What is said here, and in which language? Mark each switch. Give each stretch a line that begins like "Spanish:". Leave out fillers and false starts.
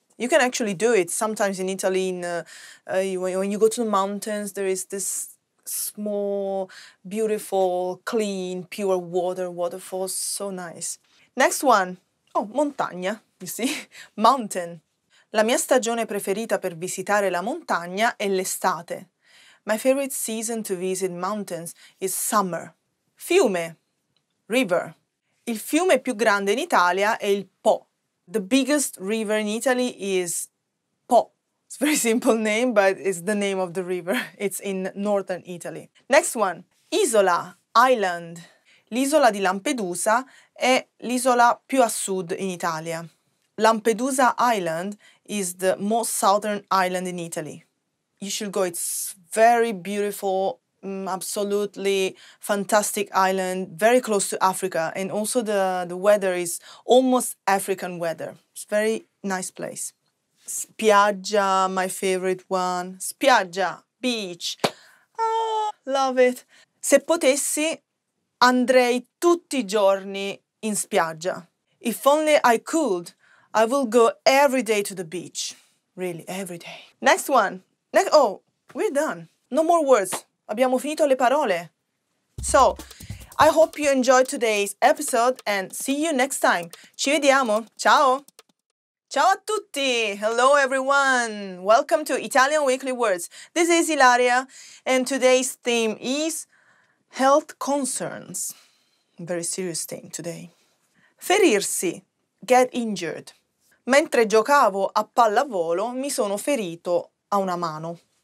English: You can actually do it sometimes in Italy. When you go to the mountains, there is this small, beautiful, clean, pure water waterfalls. So nice. Next one. Oh, montagna, you see? Mountain.
Italian: La mia stagione preferita per visitare la montagna è l'estate.
English: My favorite season to visit mountains is summer.
Italian: Fiume, river. Il fiume più grande in Italia è il Po.
English: The biggest river in Italy is Po. It's a very simple name, but it's the name of the river. It's in northern Italy. Next one. Isola, island.
Italian: L'isola di Lampedusa è l'isola più a sud in Italia.
English: Lampedusa Island is the most southern island in Italy. You should go. It's very beautiful, absolutely fantastic island, very close to Africa. And also the weather is almost African weather. It's a very nice place. Spiaggia, my favorite one. Spiaggia, beach. Oh, love it.
Italian: Se potessi, andrei tutti I giorni in spiaggia.
English: If only I could, I will go every day to the beach. Really, every day. Next one. Oh, we're done. No more words.
Italian: Abbiamo finito le parole.
English: So, I hope you enjoyed today's episode and see you next time.
Italian: Ci vediamo. Ciao. Ciao a tutti!
English: Hello everyone! Welcome to Italian Weekly Words. This is Ilaria and today's theme is health concerns. Very serious theme today. Ferirsi, get injured.
Italian: Mentre giocavo a pallavolo mi sono ferito a una mano.